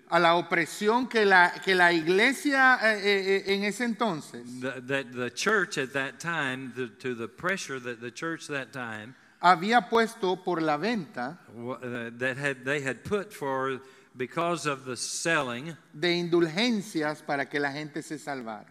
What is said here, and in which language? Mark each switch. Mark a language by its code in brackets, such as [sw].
[es] a la opresión que la iglesia en ese entonces, [en] that the church at that time, to the pressure that the church that time [es] había puesto por la venta, [en] they had put for, because of the selling [es] de indulgencias para que la gente se salvara,